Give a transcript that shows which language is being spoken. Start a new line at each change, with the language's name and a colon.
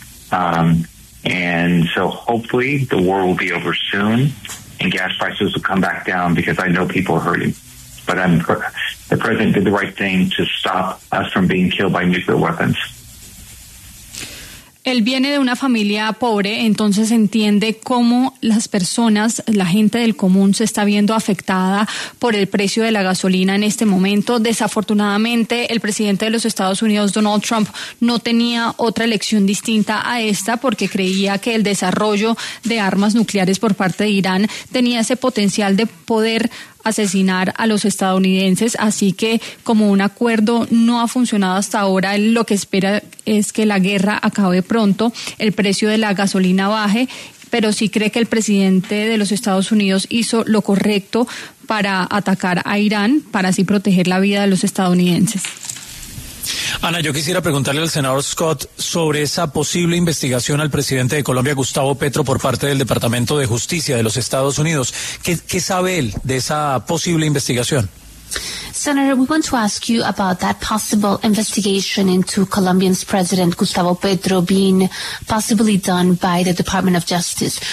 English: And so hopefully the war will be over soon and gas prices will come back down, because I know people are hurting. But the president did the right thing to stop us from being killed by nuclear weapons.
Spanish: Él viene de una familia pobre, entonces entiende cómo las personas, la gente del común, se está viendo afectada por el precio de la gasolina en este momento. Desafortunadamente, el presidente de los Estados Unidos, Donald Trump, no tenía otra elección distinta a esta, porque creía que el desarrollo de armas nucleares por parte de Irán tenía ese potencial de poder asesinar a los estadounidenses. Así que, como un acuerdo no ha funcionado hasta ahora, él lo que espera es que la guerra acabe pronto, el precio de la gasolina baje, pero sí cree que el presidente de los Estados Unidos hizo lo correcto para atacar a Irán, para así proteger la vida de los estadounidenses. Ana, yo quisiera preguntarle al senador Scott sobre esa posible investigación al presidente de Colombia, Gustavo Petro, por parte del Departamento de Justicia de los Estados Unidos. ¿Qué sabe él de esa posible investigación?
English: Senator, we want to ask you about that possible investigation into Colombian's president, Gustavo Petro, being possibly done by the Department of Justice.